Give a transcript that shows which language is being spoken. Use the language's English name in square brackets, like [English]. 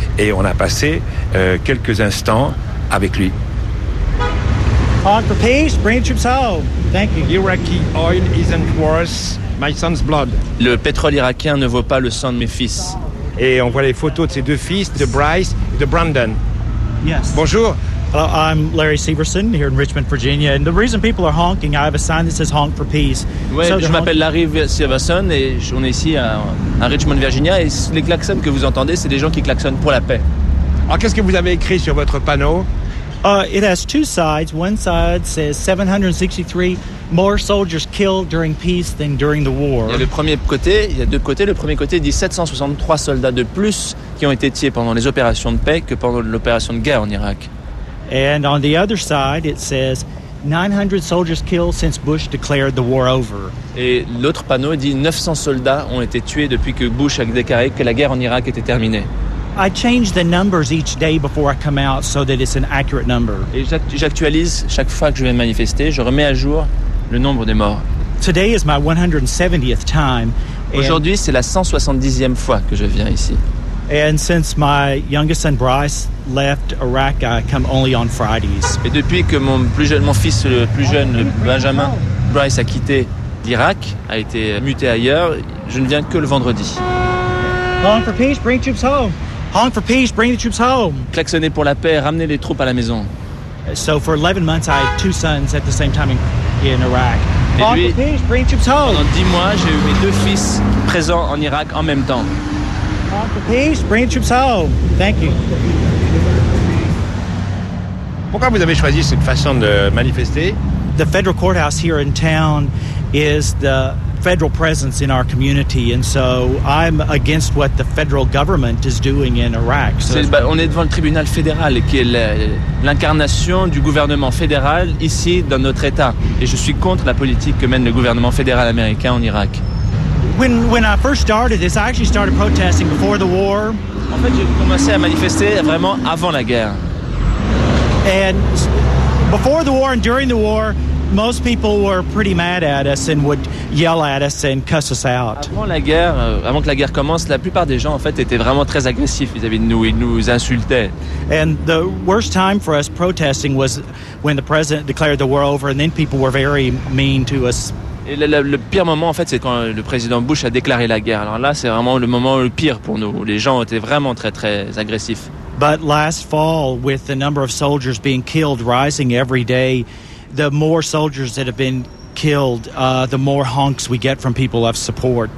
[French] Et on a passé quelques instants avec lui. [English] Hong for peace, bring the troops home. Thank you. Iraqi oil isn't worth my son's blood. [French] Le pétrole irakien ne vaut pas le sang de mes fils. Et on voit les photos de ses deux fils, de Bryce et de Brandon. [English] Yes. [French] Bonjour. [English] Hello, I'm Larry Syverson here in Richmond, Virginia. And the reason people are honking, I have a sign that says honk for peace. [French] Ouais, so je m'appelle Larry Syverson et on est ici à Richmond, Virginia. Et les klaxons que vous entendez, c'est des gens qui klaxonnent pour la paix. Alors, qu'est-ce que vous avez écrit sur votre panneau? [English] It has two sides. One side says 763 more soldiers killed during peace than during the war. [French] Il y a le premier côté, il y a deux côtés. Le premier côté dit 763 soldats de plus qui ont été tués pendant les opérations de paix que pendant l'opération de guerre en Irak. [English] And on the other side, it says 900 soldiers killed since Bush declared the war over. [French] Et l'autre panneau dit 900 soldats ont été tués depuis que Bush a déclaré que la guerre en Irak était terminée. [English] I change the numbers each day before I come out so that it's an accurate number. [French] Et j'actualise chaque fois que je vais manifester, je remets à jour le nombre des morts. [English] Today is my 170th time. [French] Aujourd'hui, c'est la 170e fois que je viens ici. [English] And since my youngest son Bryce left Iraq, I come only on Fridays. [French] Et depuis que mon fils le plus jeune Benjamin Bryce a quitté l'Irak, a été muté ailleurs, je ne viens que le vendredi. [English] Honk for peace, bring troops home. Honk for peace, bring the troops home. [French] Klaxonner pour la paix, ramener les troupes à la maison. [English] So for 11 months I had two sons at the same time in Iraq. Honk for peace, bring troops home. [French] Pendant 10 mois, j'ai eu mes deux fils présents en Irak en même temps. [English] Peace, bring troops home. Thank you. [French] Pourquoi vous avez choisi cette façon de manifester? [English] The federal courthouse here in town is the federal presence in our community, and so I'm against what the federal government is doing in Iraq. So [French] on est devant le tribunal fédéral, qui est l'incarnation du gouvernement fédéral ici dans notre État, et je suis contre la politique que mène le gouvernement fédéral américain en Irak. [English] When I first started this, I actually started protesting before the war. [French] En fait, j'ai commencé à manifester vraiment avant la guerre. [English] And before the war and during the war, most people were pretty mad at us and would yell at us and cuss us out. [French] Avant que la guerre commence, la plupart des gens en fait étaient vraiment très agressifs vis-à-vis de nous. Ils nous insultaient. [English] And the worst time for us protesting was when the president declared the war over, and then people were very mean to us. [French] Et le pire moment, en fait, c'est quand le président Bush a déclaré la guerre. Alors là, c'est vraiment le moment le pire pour nous. Les gens étaient vraiment très, très agressifs. [English] But last fall, with the number of soldiers being killed rising every day, the more soldiers that have been killed, the more honks we get from people of support.